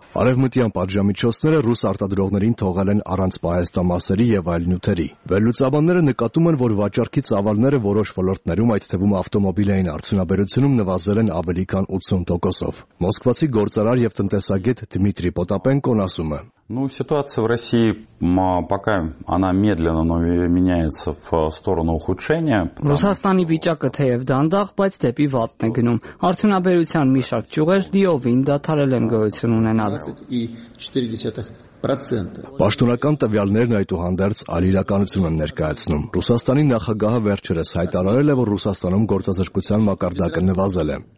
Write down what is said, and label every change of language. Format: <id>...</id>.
<hy>Արևմտյան պատժամիջոցները ռուս արտադրողներին թողել են առանց պահեստամասերի եւ այլ նյութերի։ Վերլուծաբանները նկատում են, որ վաճառքի ծավալները որոշ ոլորտներում, այդ թվում ավտոմոբիլային արդյունաբերությունում, նվազել են ավելի քան 80%-ով։ Մոսկվացի գործարար եւ տնտեսագետ Դմիտրի Պոտապենկոն ասում է.</hy> <ru>Ну, ситуация в России пока она медленно, но меняется в сторону ухудшения.</ru> <hy>Ռուսաստանի վիճակը թեև դանդաղ, բայց դեպի վատն է գնում։ Արդյունաբերության մի շարք ճյուղեր լիովին դադարել են գոյություն ունենալ։ Պաշտոնական տվյալներն այդուհանդերձ այլ իրականություն են ներկայացնում։ Ռուսաստանի նախագահը վերջերս հայտարարել է, որ Ռուսաստանում գործազրկության մակարդակը նվազել է։</hy>